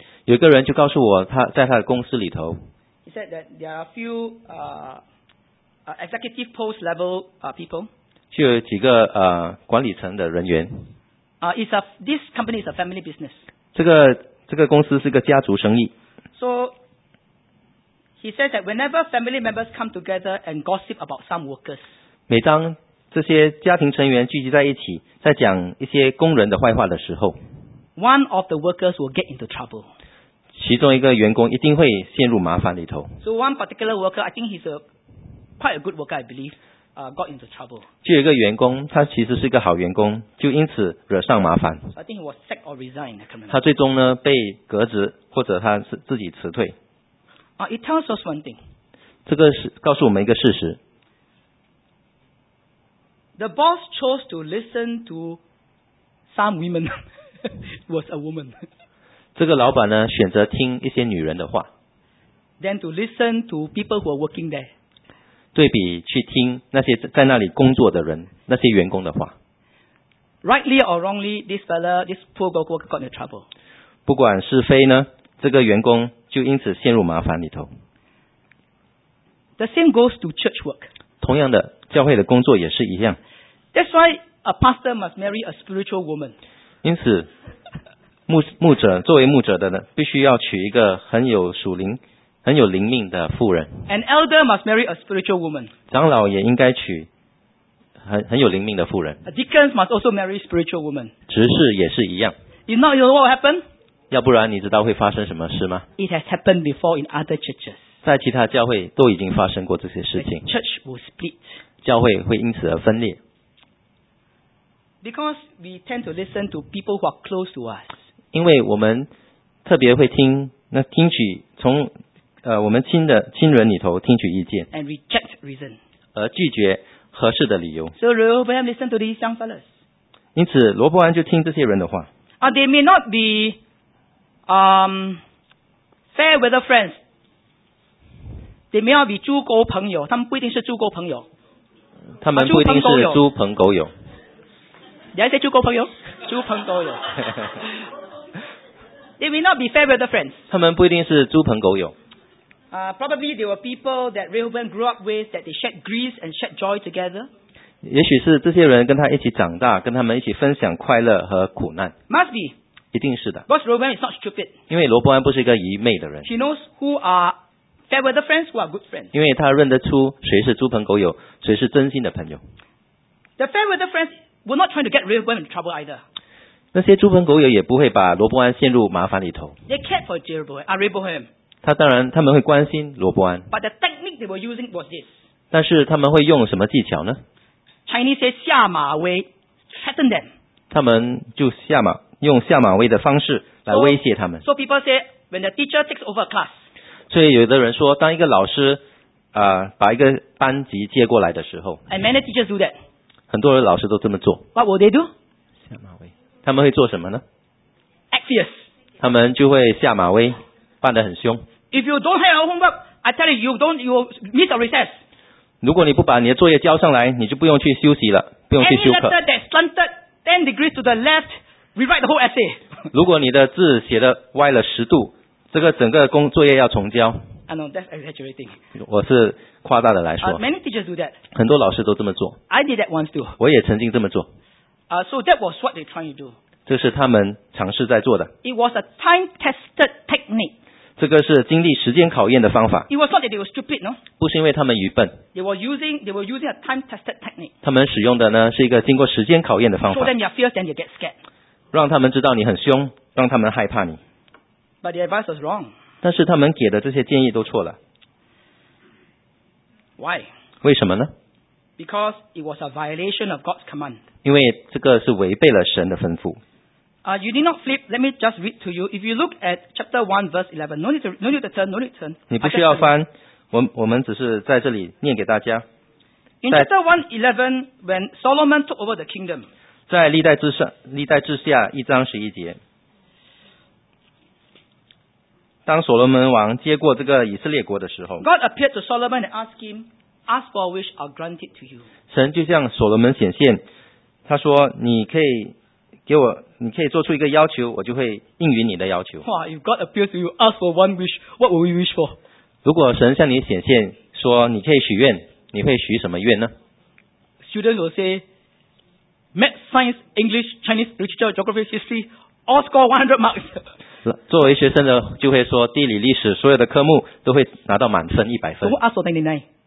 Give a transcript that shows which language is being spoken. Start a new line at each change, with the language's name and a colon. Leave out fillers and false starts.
Chinese: 有一个人就告诉我，他在他的公司里头。
English: He said that there are a few executive post level people.
Chinese: 就有几个管理层的人员。
English: This company is a family business.
Chinese: 这个公司是个家族生意。
English: So he says that whenever family members come together and gossip about some workers,
Chinese: 每当这些家庭成员聚集在一起，在讲一些工人的坏话的时候
English: ，one of the workers will get into trouble.
Chinese: 其中一个员工一定会陷入麻烦里头。
English: So one particular worker, I think he's quite a good worker, I believe. Got into trouble.
Chinese: 就有一个员工，他其实是一个好员工，就因此惹上麻烦。
English: I think he was sacked or resigned.
Chinese: 他最终呢被革职，或者他自己辞退。
English: It tells us one thing.
Chinese: 这个是告诉我们一个事实。
English: The boss chose to listen to some women. was a woman.
Chinese: 这个老板呢选择听一些女人的话。
English: Then to listen to people who are working there.
Chinese: 对比去听那些在那里工作的人那些员工的话
English: Rightly or wrongly this poor worker got into trouble
Chinese: 不管是非呢这个员工就因此陷入麻烦里头
English: The same goes to church work
Chinese: 同样的教会的工作也是一样
English: That's why a pastor must marry a spiritual woman
Chinese: 因此牧者作为牧者的呢必须要娶一个很有属灵很有灵命的妇人。
English: An elder must marry a spiritual woman.
Chinese: 长老也应该娶很有灵命的妇人。
English: A deacon must also marry a spiritual woman.
Chinese: 执事也是一样。
English: If not, you know what will happen?
Chinese: 要不然你知道会发生什么事吗
English: ？It has happened before in other churches.
Chinese: 在其他教会都已经发生过这些事情。
English: The church will split.
Chinese: 教会会因此而分裂。
English: Because we tend to listen to people who are close to us.
Chinese: 因为我们特别会听那听取从。我们亲人里头听取意见
English: ，and reject reason，
Chinese: 而拒绝合适的理由。
English: So Rehoboam listened to these young fellows.
Chinese: 因此，罗伯安就听这些人的话。
English: They may not be fair weather friends. They may not be
Chinese: 猪狗朋友，他们不一定是猪狗朋友。他们不一定是猪朋狗友。你还是猪狗朋友？猪朋狗友。
English: They may not be fair weather friends.
Chinese: 他们不一定是猪朋狗友。
English: Probably there were people that Rehoboam grew up with that they shared grief and shared joy together.
Chinese: 也许是这些人跟他一起长大，跟他们一起分享快乐和苦难。
English: Must be.
Chinese: 一定是的。
English: Because Rehoboam is not stupid.
Chinese: 因为罗伯安不是一个愚昧的人。
English: He knows who are fair weather friends, who are good friends.
Chinese: 因为他认得出谁是猪朋狗友，谁是真心的朋友。
English: The fair weather friends were not trying to get Rehoboam into trouble either.
Chinese: 那些猪朋狗友也不会把罗伯安陷入麻烦里头。
English: They cared for Rehoboam.
Chinese: 他当然他们会关心罗伯安
English: But the technique they were using was this.
Chinese: 但是他们会用什么技巧呢
English: Chinese say 下马威 threaten them
Chinese: 他们就下马用下马威的方式来威胁他们
English: so people say when the teacher takes over a class
Chinese: 所以有的人说当一个老师把一个班级接过来的时候
English: and many teachers do that
Chinese: 很多老师都这么做
English: what will they do
Chinese: 下马威他们会做什么呢
English: act fierce
Chinese: 他们就会下马威办得很凶。
English: If you don't have your homework, I tell you, you miss a recess.
Chinese: 如果你不把你的作业交上来，你就不用去休息了，不用去休课。
English: Any letter that's slanted 10 degrees to the left, rewrite the whole essay.
Chinese: 如果你的字写的歪了10度，这个整个工作业要重交。
English: I know that's exaggerating.
Chinese: 我是夸大的来说。
English: Many teachers do that.
Chinese: 很多老师都这么做。
English: I did that once too.
Chinese: 我也曾经这么做。
English: So that was what they trying to do.
Chinese: 这是他们尝试在做的。
English: It was a time-tested technique.
Chinese: 这个是经历时间考验的方法。
English: It was not that they were stupid, no.
Chinese: 不是因为他们愚笨。
English: They were using a time-tested technique.
Chinese: 他们使用的呢是一个经过时间考验的方法。
English: Show them your fears, then you get scared.
Chinese: 让他们知道你很凶，让他们害怕你。
English: But the advice was wrong.
Chinese: 但是他们给的这些建议都错了。
English: Why?
Chinese: 为什么呢？
English: Because it was a violation of God's command.
Chinese: 因为这个是违背了神的吩咐。
English: You need not flip. Let me just read to you. If you look at chapter 1, verse 11, no need to turn.
Chinese: 你不需要翻，我们只是在这里念给大家。
English: In chapter 1:11, when Solomon took over the kingdom.
Chinese: 在历代志下一章十一节。当所罗门王接过这个以色列国的时候，
English: God appeared to Solomon and asked him, "Ask for a wish, I'll grant it to you."
Chinese: 神就向所罗门显现，他说：“你可以给我，你可以做出一个要求，我就会应允你的要求。”
English: Wow, if God appears to you, ask for one wish, what will you wish for?
Chinese: 如果神向你显现说你可以许愿，你会许什么愿呢？
English: Students will say, "Math, science, English, Chinese, literature, geography, history, all score 100 marks."
Chinese: 作为学生的就会说地理历史所有的科目都会拿到满分100分。